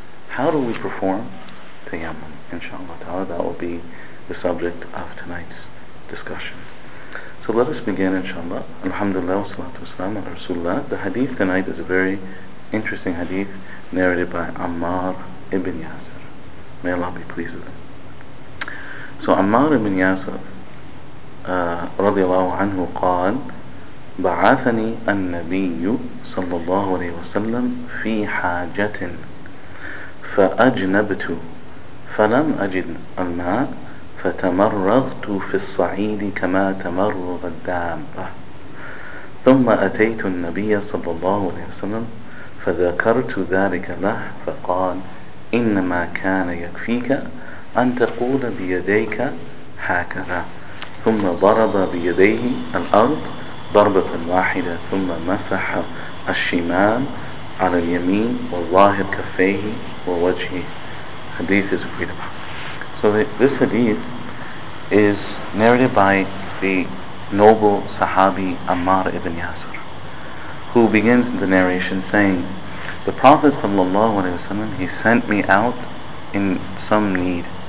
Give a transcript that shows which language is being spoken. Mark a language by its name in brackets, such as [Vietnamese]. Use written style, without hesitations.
[English] How do we perform tayammum, inshallah ta'ala? That will be the subject of tonight's discussion. So let us begin, inshallah. Alhamdulillah, salatu wasalam ala Rasulullah. The hadith tonight is a very interesting hadith narrated by Ammar ibn Yasir. May Allah be pleased with him. [Arabic] So Ammar ibn Yasir رضي الله عنه قال بعثني النبي صلى الله عليه وسلم في حاجة فأجنبت فلم أجد الماء فتمرغت في الصعيد كما تمرغ الدابة ثم أتيت النبي صلى الله عليه وسلم فذكرت ذلك له فقال إنما كان يكفيك أن تقول بيديك هكذا ثم ضرب بيديه الأرض ضربة واحدة ثم مسح الشمال على اليمين وظاهر كفيه ووجهه. [English] Hadith is agreed upon. So this hadith is narrated by the noble Sahabi Ammar ibn Yasir, who begins the narration saying, the Prophet sallallahu alaihi wasallam, he sent me out in some need.